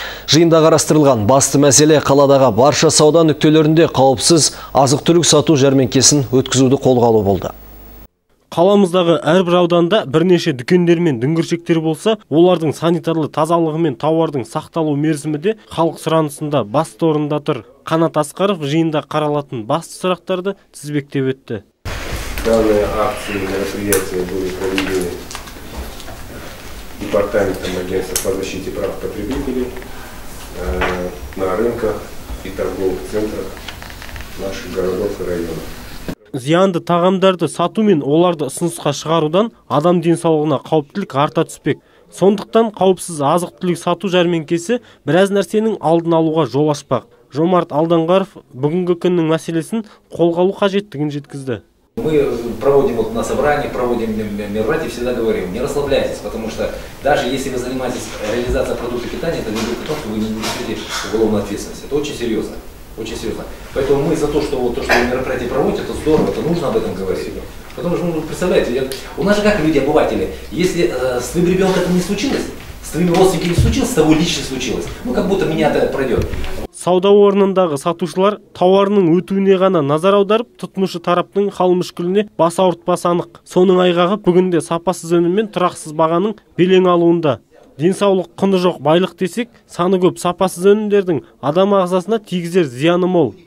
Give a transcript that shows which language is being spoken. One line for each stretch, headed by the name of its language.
Kazakh: Жиында қарастырылған басты мәселе қаладағы барша сауда нүктелерінде қауіпсіз азық-түлік сату жәрмеңкесін өткізуді қолға алу болды. қаламыздағы әрбір ауданда бірнеше дүкендер мен дүңгіршектер болса, олардың санитарлы тазалығы мен тауардың сақталу мерзімі де халық сұранысында басты орында тұр. Қанат Асқаров жиында қаралатын басты сұрақтарды тізбектеп өтті.
Russian: Данная акция мероприятия будет проведена департаментом агентства по защите прав потребителей на рынках и торговых центрах наших городов и районов.
Kazakh: Зиянды тағамдарды сату мен оларды ұсынысқа шығарудан адам денсаулығына қауіптілік арта түспек. Сондықтан қауіпсіз азық-түлік сату жәрменкесі біраз нәрсенің алдын алуға жол ашпақ. Жомарт Алданғаров бүгінгі күннің мәселесін қолға алу қажеттігін жеткізді.
Russian: Мы проводим вот на собрании, проводим мероприятия, всегда говорим, не расслабляйтесь, потому что даже если вы занимаетесь реализацией продукта питания, это не будет потом, что вы не несете уголовную ответственность. Это очень серьезно. Очень серьезно. Поэтому мы за то, что вы мероприятие проводите, это здорово, это нужно об этом говорить. Потому что, ну, представляете, у нас же как люди, обыватели, если с твоим ребенком это не случилось, с твоими родственниками не случилось, с тобой лично случилось, ну как будто меня это пройдет.
Kazakh: Сауда орнындағы сатушылар тауарының өтуіне ғана назар аударып, тұтынушы тараптың хал мүшкіліне бас ауыртпас анық. Соның айғағы бүгінде сапасыз өнім мен тұрақсыз бағаның белең алуында. Денсаулық құны жоқ байлық десек, саны көп сапасыз өнімдердің адам ағзасына тигізер зияны мол.